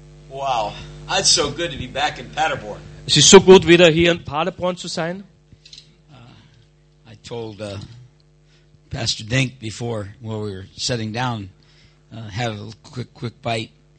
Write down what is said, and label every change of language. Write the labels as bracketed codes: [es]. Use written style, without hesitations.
[en] Wow, it's so good to be back in Paderborn. [de] Es ist so gut wieder hier in Paderborn zu sein. [en] I told Pastor Dink before when we were sitting down, had a quick bite.